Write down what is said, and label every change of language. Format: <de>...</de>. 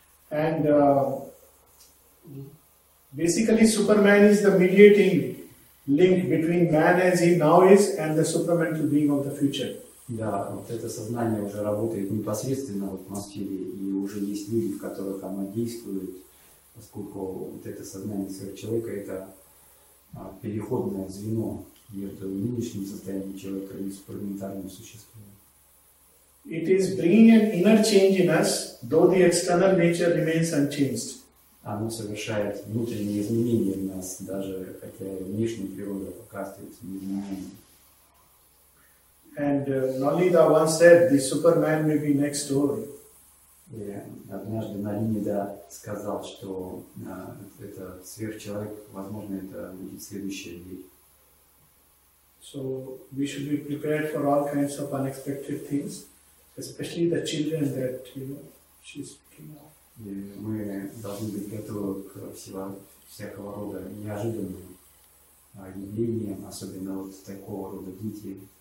<en>And basically Superman is the mediating link between man as he now is and the supramental being of the future.</en> <ru>Да, вот это сознание уже работает непосредственно в атмосфере, и уже есть люди, в которых оно действует, поскольку вот это сознание сверхчеловека — это переходное звено между нынешним состоянием человека и суперментальным существом.</ru> <en>It is bringing an inner change in us, though the external nature remains unchanged.</en> <ru>Оно совершает внутренние изменения в нас, даже хотя внешняя природа пока остается неизменной.</ru> <en>And Nalinda once said, "The Superman may be next door."</en> <ru>Yeah, однажды Nalinda сказал, что это сверхчеловек, возможно, это будет следующая дверь.</ru> <en>So we should be prepared for all kinds of unexpected things, especially the children that you know she's picking up.</en> <ru>Yeah, мы должны быть готовы к всякого рода неожиданным явлениям, особенно вот такого рода дети.</ru>